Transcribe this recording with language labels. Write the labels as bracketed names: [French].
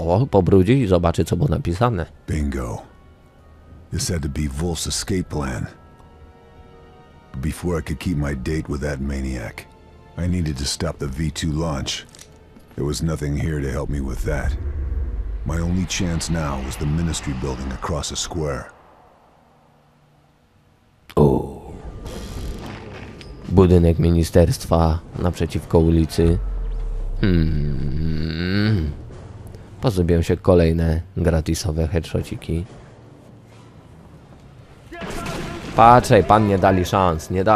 [Polish] Pobrudzi i zobaczy, co było napisane. Bingo. [English] This had to be Wolf's escape plan. But before I could keep my date with that maniac, I needed to stop the V2 launch. There was nothing here to help me with that. My only chance now was the ministry building across the square. Oh. [Polish] Budynek ministerstwa naprzeciwko ulicy. Pozbyłem się kolejne gratisowe headshotiki. Patrzaj, pan, nie dali szans.